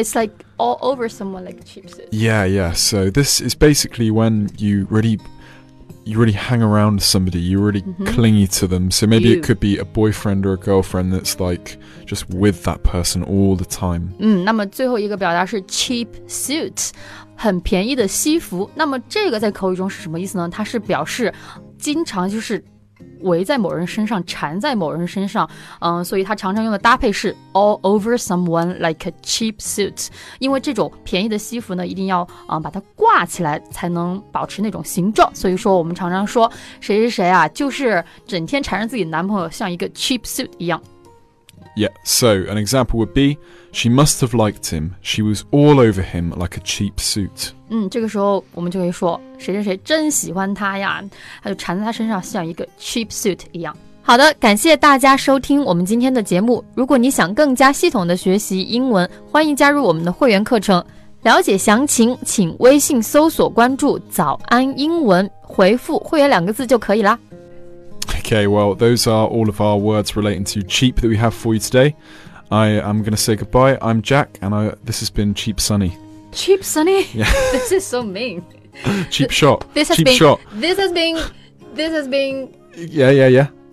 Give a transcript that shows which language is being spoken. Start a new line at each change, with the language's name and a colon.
English: it's like all over someone like cheap suit. Yeah. So this is basically when you really hang around somebody, you're really、clingy to them. So maybe、it could be a boyfriend or a girlfriend that's like just with that person all the time.、
Chinese: 那么最后一个表达是 cheap suit, 很便宜的西服。那么这个在口语中是什么意思呢？它是表示经常就是围在某人身上缠在某人身上、所以他常常用的搭配是
English: all over someone like a cheap suit
Chinese: 因为这种便宜的西服呢一定要、把它挂起来才能保持那种形状所以说我们常常说谁是谁啊就是整天缠着自己男朋友像一个 cheap suit 一样
English: Yeah, so an example would be She must have liked him She was all over him like a cheap suit
Chinese: 这个时候我们就会说谁谁谁真喜欢他呀他就缠在他身上像一个 cheap suit 一样好的感谢大家收听我们今天的节目如果你想更加系统的学习英文欢迎加入我们的会员课程了解详情请微信搜索关注早安英文回复会员两个字就可以啦
English: Okay, well, those are all of our words relating to cheap that we have for you today I am going to say goodbye I'm Jack and this has been Cheap Sunny Cheap Sunny? Yeah. This is so mean Cheap shot. This has cheap been, shot. This has been. Yeah.